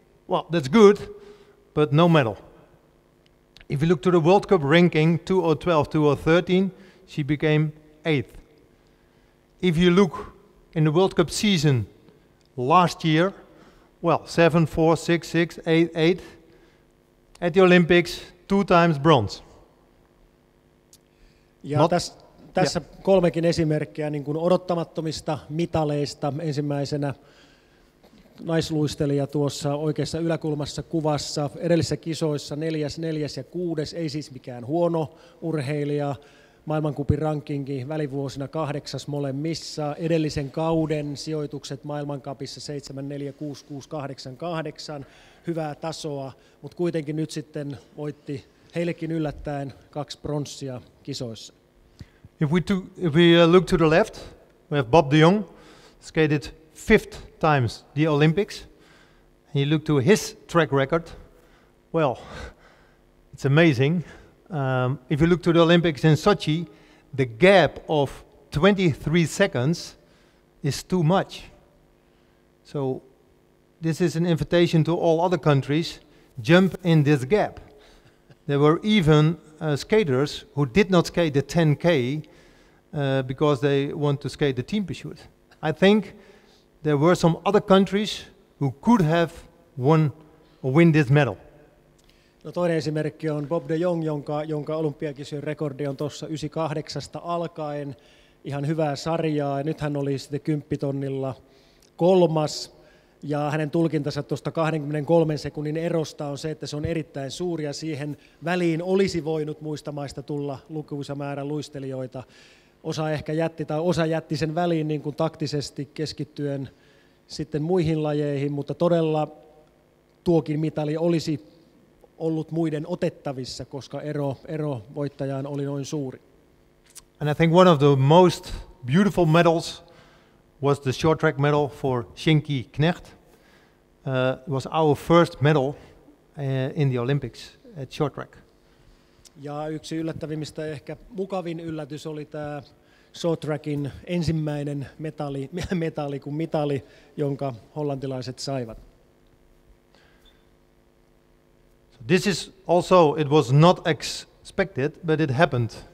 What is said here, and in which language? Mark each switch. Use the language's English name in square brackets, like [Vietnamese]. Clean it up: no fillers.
[English] Well, that's good, but no medal. If you look to the World Cup ranking, 2012, 2013, she became 8th. If you look in the World Cup season last year, well, 7, 4, 6, 6, 8, 8. At the Olympics, 2x bronze. [Finnish] Ja tässä kolmekin esimerkkiä niin kuin odottamattomista mitaleista. Ensimmäisenä naisluistelija tuossa oikeassa yläkulmassa kuvassa. Edellisissä kisoissa 4., 4. ja 6. Ei siis mikään huono urheilija. Maailmankupin rankingi välivuosina 8. molemmissa, edellisen kauden sijoitukset maailmankapissa 7, 4, 6, 6, 8, 8, hyvää tasoa, mutta kuitenkin nyt sitten voitti heillekin yllättäen 2 bronssia kisoissa. [English] If we look to the left, we have Bob de Jong, skated 5th times the Olympics. And you look to his track record, well, it's amazing. If you look to the Olympics in Sochi, the gap of 23 seconds is too much. So this is an invitation to all other countries, jump in this gap. There were even skaters who did not skate the 10K because they want to skate the team pursuit. I think there were some other countries who could have won this medal. [Finnish] No toinen esimerkki on Bob de Jong, jonka olympiakisojen rekordi on tuossa 98 alkaen. Ihan hyvää sarjaa. Ja nyt hän oli sitten 10 000 3. Ja hänen tulkintansa tuosta 23 sekunnin erosta on se, että se on erittäin suuri. Ja siihen väliin olisi voinut muista maista tulla lukuisa määrä luistelijoita. Osa ehkä jätti tai osa jätti sen väliin niin kuin taktisesti keskittyen sitten muihin lajeihin, mutta todella tuokin mitali olisi ollut muiden otettavissa, koska ero voittajaan oli noin suuri. [English] And I think one of the most beautiful medals was the short track medal for Shinki Knecht. It was our first medal in the Olympics at short track. [Finnish] Ja yksi yllättävimmistä ehkä mukavin yllätys oli tämä short trackin ensimmäinen mitali, jonka hollantilaiset saivat. [English] So this is also, it was not expected, but it happened.